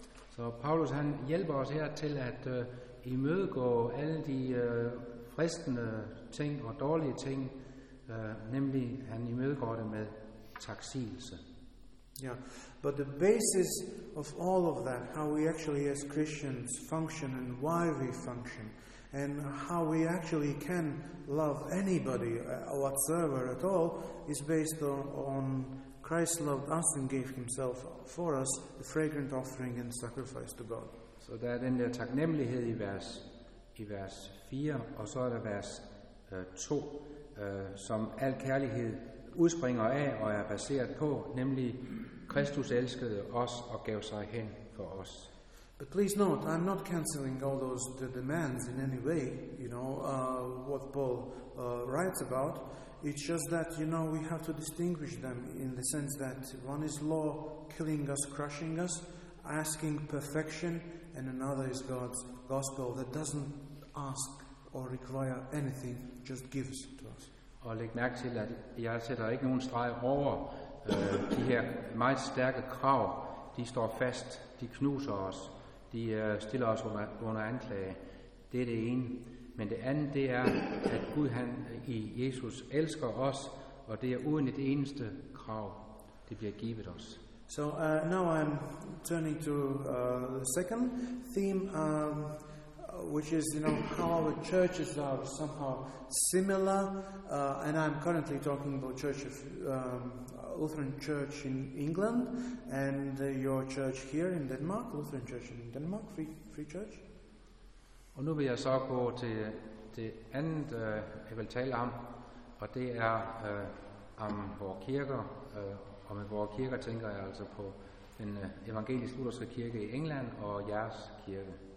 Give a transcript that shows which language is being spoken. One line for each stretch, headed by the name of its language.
Danish: Så Paulus han hjælper os her til at imødegå alle de fristende ting og dårlige ting, nemlig han imødegår det med taksigelse.
English: Yeah, but the basis of all of that, how we actually as Christians function and why we function, and how we actually can love anybody whatsoever at all, is based on Christ loved us and gave himself for us, the fragrant offering and sacrifice to God.
Danish: Så der den der taknemmelighed i vers 4, og så der vers 2, som al kærlighed udspringer af og baseret på, nemlig Kristus elskede os og gav sig hen for os.
English: But please note, I'm not cancelling all those the demands in any way, you know, what Paul writes about. It's just that, you know, we have to distinguish them in the sense that one is law killing us, crushing us, asking perfection, and another is God's gospel that doesn't ask or require anything, just gives to us.
Danish: Og læg mærke til, at jeg sætter ikke nogen streg over de her meget stærke krav. De står fast, de knuser os, de stiller os under anklage. Det er det ene. Men det andet, det er, at Gud han i Jesus elsker os, og det er uden et eneste krav, det bliver givet os.
English: So now I'm turning to the second theme, which is, you know, how our churches are somehow similar, and I'm currently talking about Church of Lutheran Church in England and your church here in Denmark, Lutheran Church in Denmark, Free Church.
Danish: Og nu vil jeg så gå til det andet, jeg vil tale om, og det er om vores kirker, og med vores kirker tænker jeg altså på den evangelisk-lutherske kirke i England og jeres kirke.